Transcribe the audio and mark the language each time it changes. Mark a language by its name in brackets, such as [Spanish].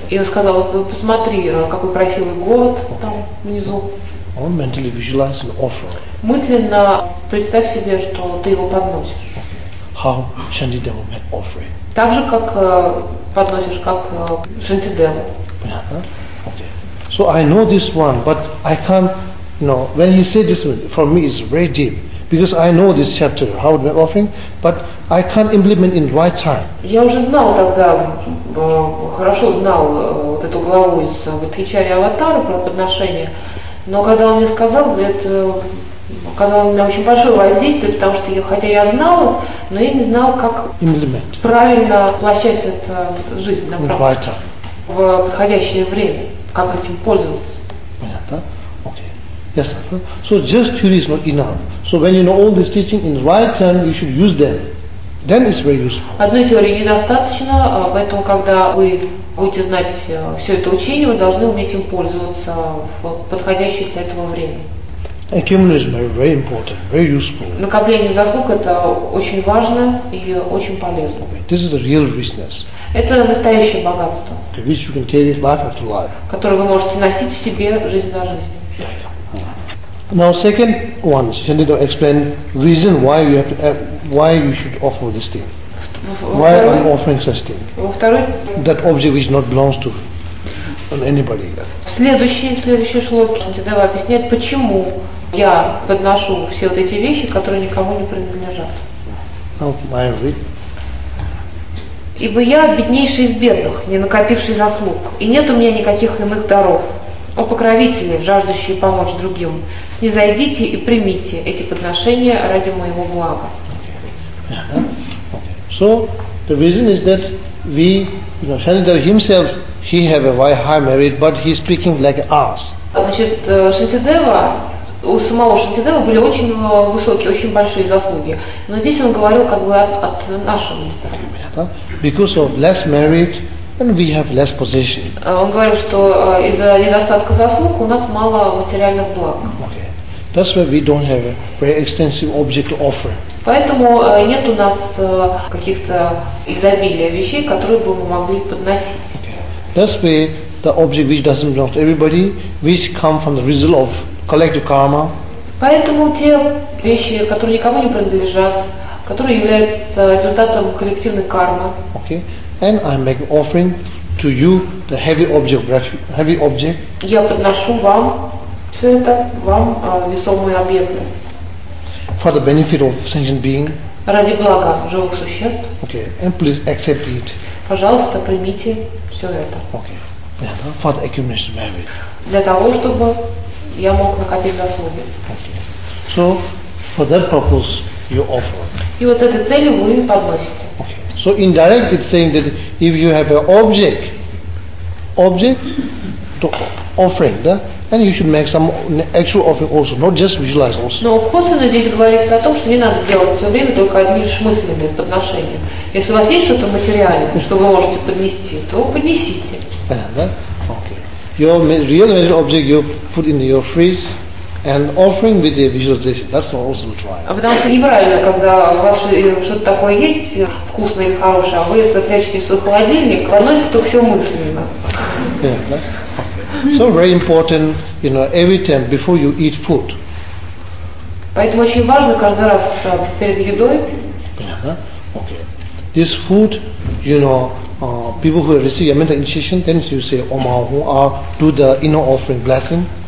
[Russian] И он сказал: "Посмотри, какой красивый город там внизу." [English] Or mentally visualize an offer. [Russian] Мысленно представь себе, что ты его подносишь. [English] How Shantideva may offer it. [Russian] Так же, как подносишь, как Шантидеву. [English] So I know this one, but I can't, you know, when he said this one, for me it's very deep. Because I know this chapter, how it may offer it, but I can't implement in right time. [Russian] Я уже знал тогда, хорошо знал вот эту главу из Гатхичари Аватара про подношение. Но когда он мне сказал, это оказало на меня очень большое воздействие, потому что я, хотя я знала, но я не знала, как [English] implement. [Russian] Правильно воплощать это в жизнь, направо, в подходящее время, как этим пользоваться. Понятно? [English] Okay. Yes. So just theory is not enough. So when you know all these teachings in right time, you should use them. Then it's very useful. [Russian] Одной теории недостаточно, поэтому когда вы будете знать все это учение, вы должны уметь им пользоваться в подходящее для этого время. [English] Accumulation is very important, very useful. [Russian] Накопление заслуг это очень важно и очень полезно. [English] Okay. This is a real richness. [Russian] Это настоящее богатство. [English] Okay. Which you can carry life after life. [Russian] Которое вы можете носить в себе жизнь за жизнью. [English] Now second one, Shantideva explained reason why you have to why you should offer this thing. Why I'm offering such thing? That object which not belongs to anybody. [Russian] В следующей шлоке Шантидева объясняет, почему я подношу все вот эти вещи, которые никому не принадлежат. [English] Now my read. [Russian] Ибо я беднейший из бедных, не накопивший заслуг, и нет у меня никаких иных даров. О покровители, жаждущие помочь другим, снизойдите и примите эти подношения ради моего блага. [English] So the reason is that we, you know, Shantideva himself, he have a very high merit, but he's speaking like us. [Russian] Значит, Шантидева, у самого Шантидева были очень высокие, очень большие заслуги, но здесь он говорил как бы от нашего места. [English] Because of less merit. And we have less position. [Russian] Он говорил, что из-за недостатка заслуг у нас мало материальных благ. [English] Okay. That's why we don't have a very extensive object to offer. [Russian] Поэтому нет у нас каких-то изобилия вещей, которые бы мы могли подносить. [English] Okay. That's why the object which doesn't belong to everybody, which come from the result of collective karma. [Russian] Поэтому те вещи, которые никому не принадлежат, которые являются результатом коллективной кармы. [English] Okay. And I make offering to you the heavy object. [Russian] Я подношу вам все это, вам весомые объекты. [English] For the benefit of sentient being. [Russian] Ради блага живых существ. [English] Okay. And please accept it. [Russian] Пожалуйста, примите все это. [English] Okay. Yeah, for the accumulation merit. [Russian] Для того, чтобы я мог накопить заслуги. [English] Okay. So, for that purpose you offer. [Russian] И вот с этой целью вы подносите. [English] Okay. So indirect it's saying that if you have an object to offering, да? And you should make some actual offering also, not just visualize also. [Russian] Но косвенно здесь говорится о том, что не надо делать все время только одни лишь мысленные подношения. Если у вас есть что-то материальное, что вы можете поднести, то поднесите. Да? Okay. [English] Your real material object you put in your fridge. And offering with the visualization, that's not also try. [Russian] А потому что неправильно, когда у вас что-то такое есть, вкусное и хорошее, а вы это прячете в свой холодильник, подносите только все мысленно. [English] Yeah, okay. So very important, you know, every time before you eat food. [Russian] Поэтому очень важно каждый раз перед едой. [English] Yeah, okay. This food, you know, people who receive your mental initiation, then you say Om Ahum, or do the inner offering blessing.